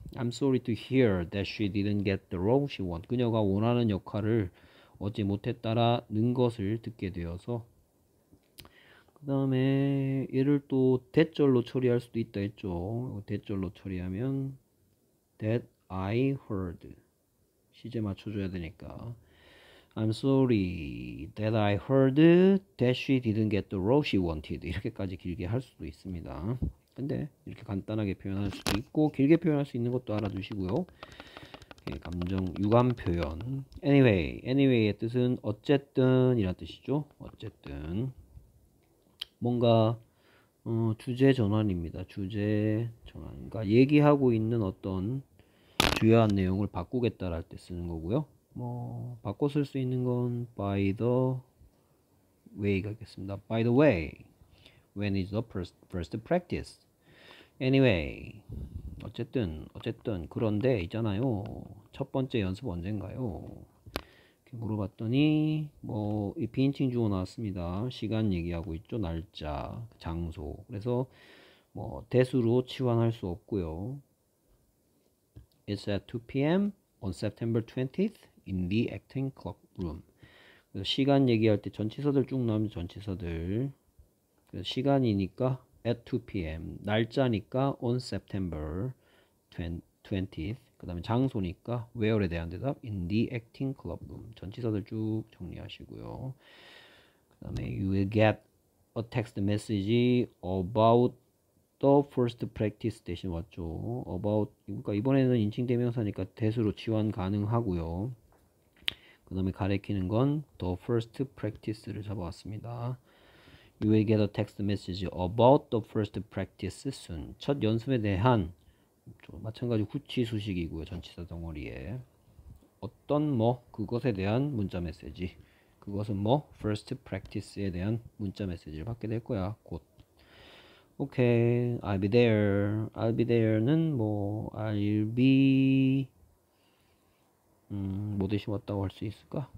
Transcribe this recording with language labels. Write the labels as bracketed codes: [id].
[en] I'm sorry to hear that she didn't get the role she wants. [ko] 그녀가 원하는 역할을 얻지 못했다라는 것을 듣게 되어서. 그 다음에 얘를 또 대절로 처리할 수도 있다 했죠. 대절로 처리하면 [en] that I heard. [ko] 시제 맞춰줘야 되니까. [en] I'm sorry that I heard that she didn't get the role she wanted. [ko] 이렇게까지 길게 할 수도 있습니다. 근데 이렇게 간단하게 표현할 수도 있고 길게 표현할 수 있는 것도 알아두시고요. 감정 유감 표현. Anyway의 뜻은 어쨌든 이란 뜻이죠. 어쨌든 뭔가 주제 전환입니다. 주제 전환. 그러니까 얘기하고 있는 어떤 주요한 내용을 바꾸겠다랄 때 쓰는 거고요. 뭐 바꿔 쓸수 있는 건 [en] by the way [ko] 가겠습니다. [en] By the way, when is the first practice? [ko] Anyway, 어쨌든 그런데 있잖아요. 첫 번째 연습 언젠가요? 이렇게 물어봤더니 뭐이 비인칭 주어 나왔습니다. 시간 얘기하고 있죠. 날짜, 장소. 그래서 뭐 대수로 치환할 수 없고요. [en] It's at 2 p.m. on September 20th in the acting club room. [ko] 그래서 시간 얘기할 때 전치사들 쭉 나오면 전치사들. 그래서 시간이니까 [en] at 2 p.m. [ko] 날짜니까 [en] on September 20th. [ko] 그 다음에 장소니까 [en] where에 대한 대답 in the acting club room. [ko] 전치사들 쭉 정리하시고요. 그 다음에 [en] you will get a text message about the first practice [ko] 대신 왔죠. about 그러니까 이번에는 인칭 대명사니까 대수로 치환 가능하고요. 그 다음에 가리키는 건 [en] the first practice [ko] 를 잡아왔습니다. [en] You will get a text message about the first practice soon. [ko] 첫 연습에 대한 마찬가지 후치 수식이고요. 전치사 덩어리에 어떤 뭐 그것에 대한 문자 메시지. 그것은 뭐 [en] first practice [ko] 에 대한 문자 메시지를 받게 될 거야. 곧. [en] Okay, I'll be there. I'll be there는 뭐 I'll be [ko] 뭐 대신 왔다고 할수 있을까?